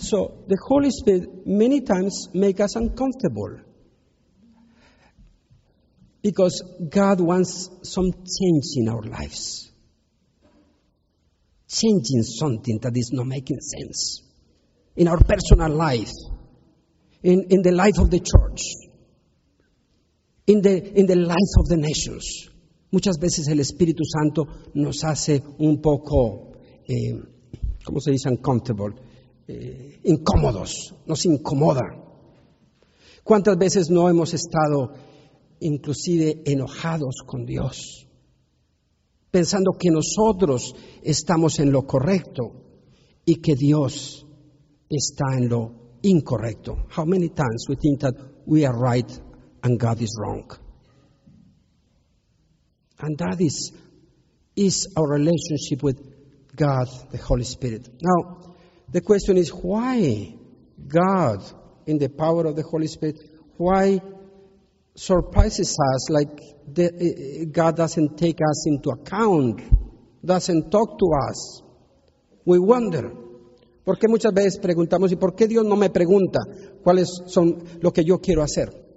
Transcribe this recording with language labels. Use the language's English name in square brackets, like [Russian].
[English] So the Holy Spirit many times make us uncomfortable because God wants some change in our lives. Changing something that is not making sense in our personal life, in the life of the church, in the life of the nations. [Spanish] Muchas veces el Espíritu Santo nos hace un poco, ¿cómo se dice? Uncomfortable, incómodos, nos incomoda. ¿Cuántas veces no hemos estado inclusive enojados con Dios, pensando que nosotros estamos en lo correcto y que Dios está en lo incorrecto? [English] How many times we think that we are right and God is wrong? And that is our relationship with God, the Holy Spirit. Now, the question is, why God in the power of the Holy Spirit, why surprises us like the, God doesn't take us into account, doesn't talk to us? We wonder. [Spanish] ¿Por qué muchas veces preguntamos y por qué Dios no me pregunta cuáles son lo que yo quiero hacer?